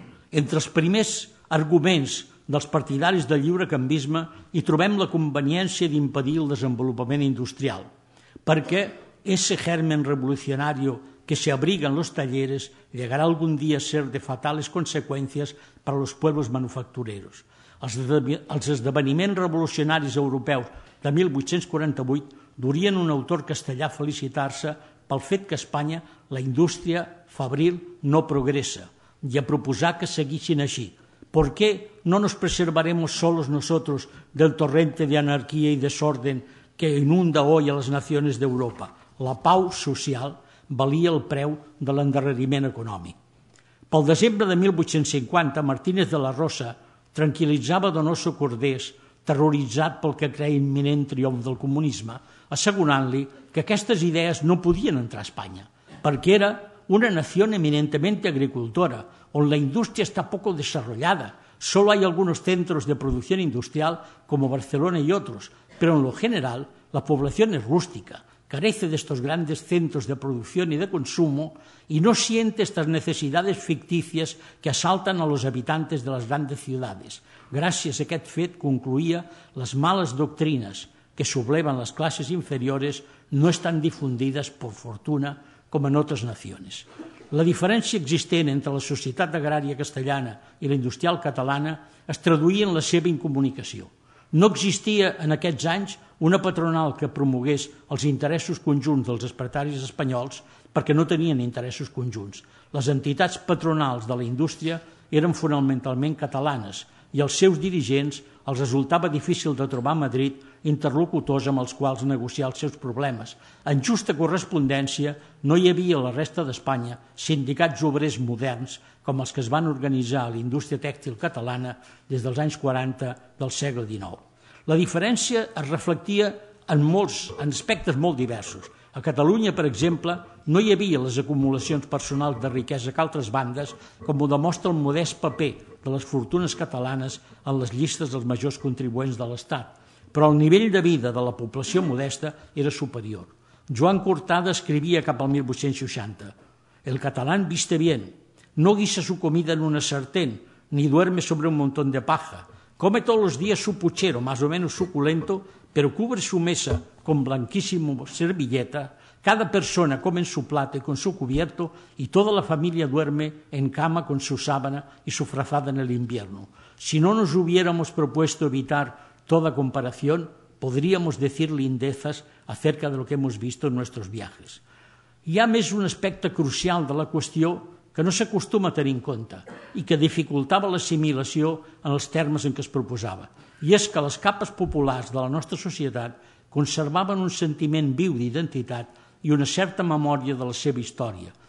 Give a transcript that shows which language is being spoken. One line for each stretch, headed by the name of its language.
Catalan: Entre els primers arguments dels partidaris del lliure canvisme hi trobem la conveniència d'impedir el desenvolupament industrial, perquè
Spanish: ese germen revolucionario que se abriga en los talleres llegará algún día a ser de fatales consecuencias para los pueblos manufactureros.
Catalan: Els esdeveniments revolucionaris europeus de 1848 durien un autor castellà felicitar-se pel fet que a Espanya la indústria fabril no progressa i a proposar que seguissin així.
Spanish: ¿Por qué no nos preservaremos solos nosotros del torrente de anarquía y desorden que inunda hoy a las naciones de Europa?
Catalan: La pau social valia el preu de l'endarreriment econòmic. Pel desembre de 1850, Martínez de la Rosa tranquil·litzava Donoso Cordés, terroritzat pel que creia imminent triomf del comunisme, assegurant-li que aquestes idees no podien entrar a Espanya, perquè era una nació
Spanish: eminentemente agricultora,
Catalan: on la indústria està
Spanish: poco desarrollada. Solo hay algunos centros de producción industrial, como Barcelona y otros, pero en lo general la población es rústica, carece de estos grandes centros de producción y de consumo y no siente estas necesidades ficticias que asaltan a los habitantes de las grandes ciudades. Gracias a
Catalan: aquest fet,
Spanish: concluía, las malas doctrinas que sublevan las clases inferiores no están difundidas, por fortuna, como en otras naciones.
Catalan: La diferència existent entre la societat agrària castellana i la industrial catalana es traduïa en la seva incomunicació. No existia en aquests anys una patronal que promogués els interessos conjunts dels espartaris espanyols, perquè no tenien interessos conjunts. Les entitats patronals de la indústria eren fonamentalment catalanes i els seus dirigents els resultava difícil de trobar a Madrid interlocutors amb els quals negociar els seus problemes. En justa correspondència, no hi havia a la resta d'Espanya sindicats obrers moderns com els que es van organitzar a la indústria tèxtil catalana des dels anys 40 del segle XIX. La diferència es reflectia en aspectes molt diversos. A Catalunya, per exemple, no hi havia les acumulacions personals de riquesa que altres bandes, com ho demostra el modest paper de les fortunes catalanes en les llistes dels majors contribuents de l'Estat, però el nivell de vida de la població modesta era superior. Joan Cortada escrivia cap al 1860:
Spanish: «El català viste bien, no guisa su comida en una sartén, ni duerme sobre un montón de paja, come todos los días su puchero, más o menos suculento, pero cubre su mesa con blanquísimo servilleta, cada persona come en su plato y con su cubierto, y toda la familia duerme en cama con su sábana y su frazada en el invierno. Si no nos hubiéramos propuesto evitar toda comparación, podríamos decir lindezas acerca de lo que hemos visto en nuestros viajes.
Catalan: Hi ha més un aspecte crucial de la qüestió que no s'acostuma a tenir en compte i que dificultava l'assimilació en els termes en què es proposava, i és que les capes populars de la nostra societat conservaven un sentiment viu d'identitat i una certa memòria de la seva història.